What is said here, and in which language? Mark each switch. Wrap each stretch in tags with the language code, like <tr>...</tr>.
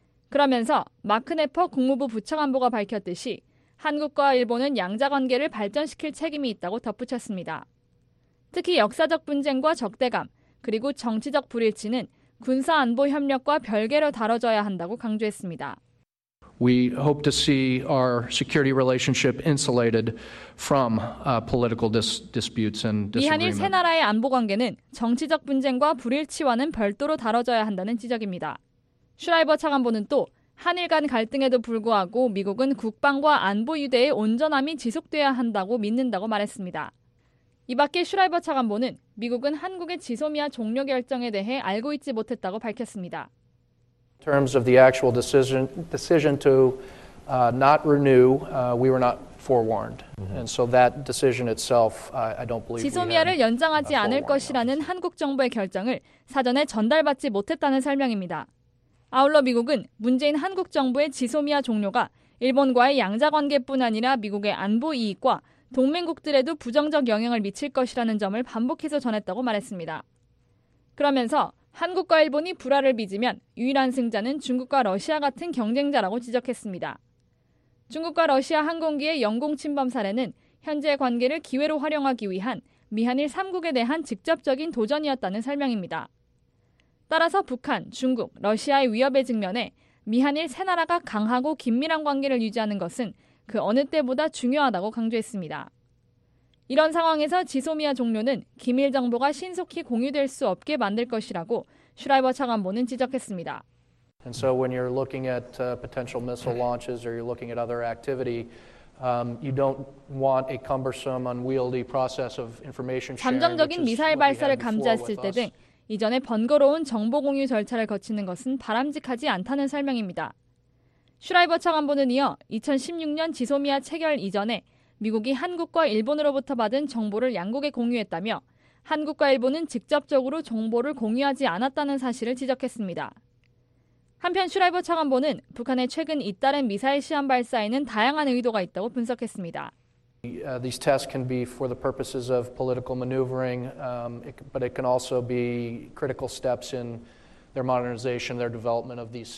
<ko>그러면서 마크 네퍼 국무부 부차관보가 밝혔듯이 한국과 일본은 양자관계를 발전시킬 책임이 있다고 덧붙였습니다. 특히 역사적 분쟁과 적대감 그리고 정치적 불일치는 군사안보협력과 별개로 다뤄져야 한다고 강조했습니다.</ko> <en>We hope to see our security relationship insulated from political disputes and disagreement.</en> <ko>미한일 세 나라의 안보 관계는 정치적 분쟁과 불일치와는 별도로 다뤄져야 한다는 지적입니다. 슈라이버 차관보는 또 한일 간 갈등에도 불구하고 미국은 국방과 안보 유대의 온전함이 지속돼야 한다고 믿는다고 말했습니다. 이 밖에 슈라이버 차관보는 미국은 한국의 지소미아 종료 결정에 대해 알고 있지 못했다고 밝혔습니다.</ko> <en>terms of the actual decision to not renew we were not forewarned and so that decision itself I don't believe</en> <ko>지소미아를 연장하지 않을 것이라는 한국 정부의 결정을 사전에 전달받지 못했다는 설명입니다. 아울러 미국은 문재인 한국 정부의 지소미아 종료가 일본과의 양자 관계뿐 아니라 미국의 안보 이익과 동맹국들에도 부정적 영향을 미칠 것이라는 점을 반복해서 전했다고 말했습니다. 그러면서 한국과 일본이 불화를 빚으면 유일한 승자는 중국과 러시아 같은 경쟁자라고 지적했습니다. 중국과 러시아 항공기의 영공 침범 사례는 현재의 관계를 기회로 활용하기 위한 미한일 3국에 대한 직접적인 도전이었다는 설명입니다. 따라서 북한, 중국, 러시아의 위협에 직면해 미한일 세 나라가 강하고 긴밀한 관계를 유지하는 것은 그 어느 때보다 중요하다고 강조했습니다. 이런 상황에서 지소미아 종료는 기밀 정보가 신속히 공유될 수 없게 만들 것이라고 슈라이버 차관보는 지적했습니다.</ko> <en>And so when you're looking at potential missile launches or you're looking at other activity, you don't want a cumbersome, unwieldy process of information sharing.</en> <ko>잠정적인 미사일 발사를 감지했을 때 등 이전에 번거로운 정보 공유 절차를 거치는 것은 바람직하지 않다는 설명입니다. 슈라이버 차관보는 이어 2016년 지소미아 체결 이전에 미국이 한국과 일본으로부터 받은 정보를 양국에 공유했다며 한국과 일본은 직접적으로 정보를 공유하지 않았다는 사실을 지적했습니다. 한편 슈라이버 차관보는 북한의 최근 잇따른 미사일 시험 발사에는 다양한 의도가 있다고 분석했습니다.</ko> <en>These tests can be for the purposes of political maneuvering, but it can also be critical steps in their modernization, their development of these systems.</en>